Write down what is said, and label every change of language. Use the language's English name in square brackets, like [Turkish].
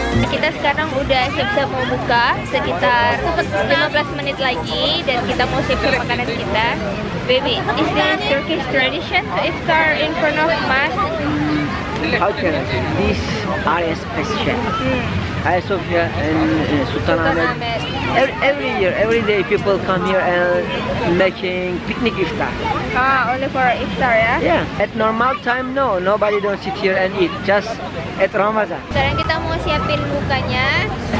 [Indonesian] Kita sekarang udah siap-siap mau buka sekitar 15 menit lagi, dan kita mau siap-siap makanan kita. [English] Baby, is there a Turkish tradition to iftar in front of mosque? How can I? This area is special. Hagia Sophia and Sultanahmet. Every year, every day people come here and making picnic iftar. Ah, only for iftar, ya? Yeah. At normal time, no. Nobody don't sit here and eat. Just at Ramadan. [Indonesian] Sekarang kita mau siapin bukanya.